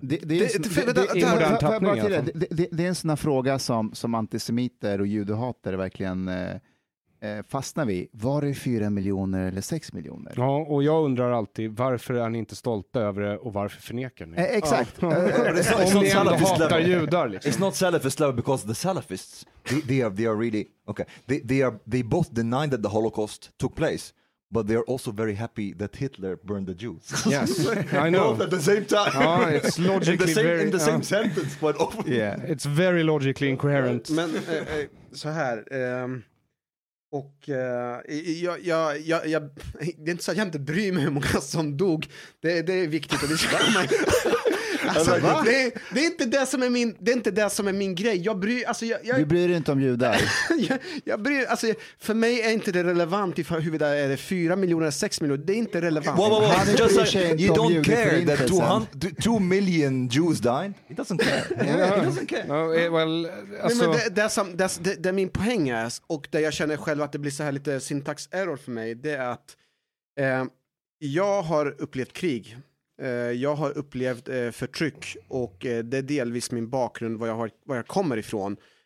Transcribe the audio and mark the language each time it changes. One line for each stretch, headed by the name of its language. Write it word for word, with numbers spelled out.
Swedish: Det, det är en sån här fråga som, som antisemiter och judehater verkligen... Eh, fastnar vi. Var det fyra miljoner eller sex miljoner? Ja, och jag undrar alltid, varför är ni inte stolta över det och varför förnekar ni? Eh, exakt. Ja. Om ni ändå hatar judar. Liksom.
English: It's not Salafist love because the Salafists, they, they, are, they are really, okay, they, they, are, they both deny that the Holocaust took place. But they are also very happy that Hitler burned the Jews. Yes, I know. Both at the same time. Ah, it's logically in the same, very, in the uh, same sentence, but over. Yeah, it's very logically incoherent.
Swedish: Men eh, så här... Um, Och eh, jag, jag, jag, jag, det är inte så att jag inte bryr mig hur många som dog. Det, det är viktigt att det ska man. Alltså, det, det är inte det som är min, det är inte det som är min grej. Jag bryr, alltså, jag, jag, du bryr dig inte om judar. jag, jag bryr, alltså, för mig är inte det relevant i huvud är det fyra miljoner eller sex miljoner. Det är inte relevant.
English: Wow, wow, wow. Just like, you don't care that two hundred, two million Jews died. It doesn't care. Yeah, it doesn't care. No, it, well, alltså...
Swedish: Nej, men det, det, är som, det, det, det är min poäng är, och där jag känner själv att det blir så här lite syntax error för mig, det är att eh, jag har upplevt krig. Jag har upplevt förtryck och det är delvis min bakgrund, var jag, har, var jag kommer ifrån.